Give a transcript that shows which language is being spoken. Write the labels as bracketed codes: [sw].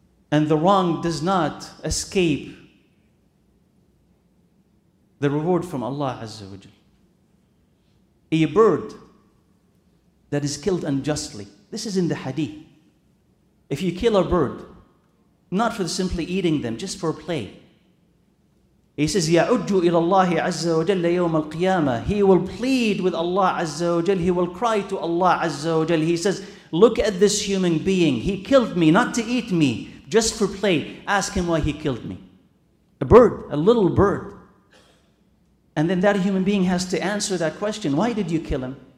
[en] And the wrong does not escape the reward from Allah Azza wa Jal. A bird that is killed unjustly. This is in the hadith. If you kill a bird, not for simply eating them, just for play. He says, [ar] يَعُجُّ إِلَى اللَّهِ عَزَّ وَجَلَّ يَوْمَ الْقِيَامَةِ. [en] He will plead with Allah Azza wa Jal. He will cry to Allah Azza wa Jal. He says, look at this human being. He killed me, not to eat me, just for play. Ask him why he killed me. A bird, a little bird. And then that human being has to answer that question. Why did you kill him?